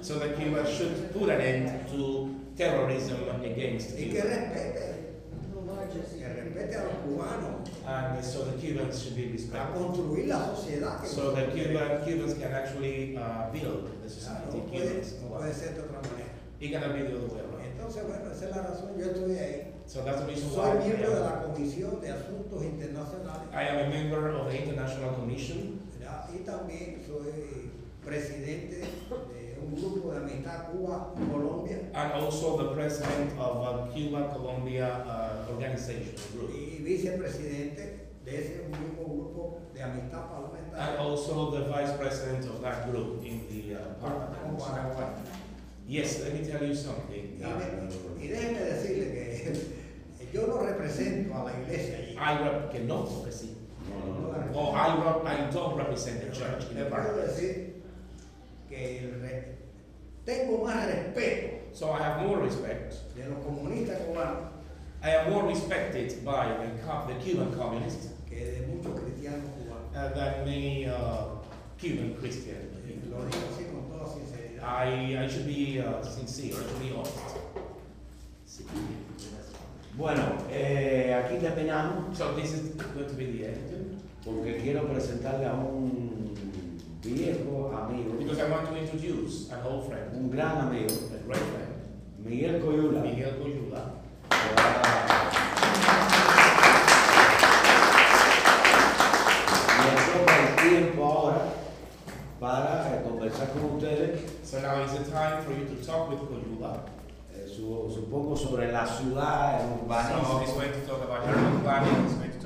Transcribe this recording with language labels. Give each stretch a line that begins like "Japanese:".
English: So that Cuba should put an end to terrorism against
Spanish: y que respete a los cubanos.
English: And so the Cubans should be respected.
Spanish: A construir la sociedad.
English: So the Cubans can actually build the society.
Spanish: No puede ser de otra manera.
English: It cannot be the other way around.
Spanish: Entonces, bueno, esa es la razón. Yo estuve ahí.
English: So that's the reason
Spanish: soy
English: why.
Spanish: Miembro de la Comisión de Asuntos Internacionales.
English: I am a member of the International Commission.
Spanish: Y también soy presidente de un grupo de amistad Cuba-Colombia.
English: And also the president of a Cuba-Colombia organization group.
Spanish: Y vicepresidente de ese grupo de amistad parlamentaria.
English: And also the vice president of that group in the parliament. Yes, let me tell you something.
Spanish: Y déjeme decirle que yo no represento a la iglesia allí.
English: I don't represent the church in the parliament.
Spanish: Puedo decir que tengo más respeto.
English: So I have more respect.
Spanish: De los comunistas cubanos.
English: I am more respected by the Cuban communists.
Spanish: Que de muchos cristianos cubanos.
English: Than many Cuban Christians.
Spanish: Lo digo así con toda sinceridad.
English: I should be sincere, I should be honest.
Spanish: Sí. Bueno, aquí terminamos.
English: So this is going to be the end.
Spanish: Porque quiero presentarle a un viejo amigo.
English: Because I want to introduce an old friend.
Spanish: Un gran amigo.
English: A great friend.
Spanish: Miguel Coyula.
English: Miguel Coyula.
Spanish: Me toca el tiempo ahora para conversar con ustedes.
English: So now is the time for you to talk with Coyula.
Spanish: Supongo sobre la ciudad, el urbanismo.
English: So he's going to talk about your urbanism.